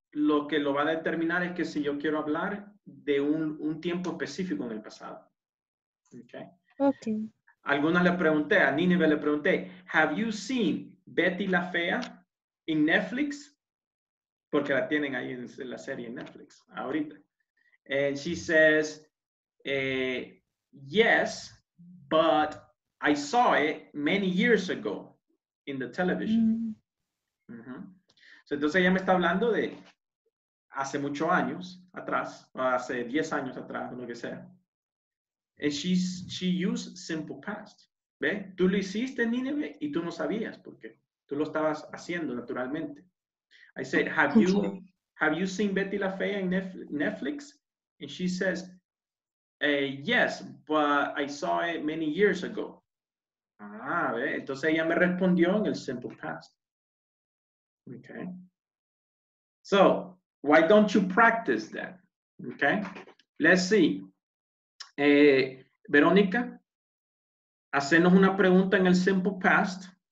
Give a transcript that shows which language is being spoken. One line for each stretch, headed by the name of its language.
Spanish: Lo que lo va a determinar es que si yo quiero hablar de un tiempo específico en el pasado.
English: Okay.
Spanish: Algunas le pregunté, a Nineveh le pregunté,
English: have you seen
Spanish: Betty la Fea en Netflix? Porque la tienen ahí en la serie Netflix, ahorita.
English: And she says, yes, but I saw it many years ago in the television.
Spanish: So, entonces ella me está hablando de hace muchos años atrás, o hace 10 años atrás, o lo que sea.
English: And she used simple past.
Spanish: ¿Ve? Tú lo hiciste, Nineveh, y tú no sabías porque tú lo estabas haciendo naturalmente.
English: I said, have you seen Betty La Fea in Netflix? And she says, yes, but I saw it many years ago.
Spanish: Ah, ¿ve? Entonces ella me respondió en el simple past.
English: Okay. So, why don't you practice that? Okay. Let's see.
Spanish: Verónica, hacenos una pregunta en el simple past.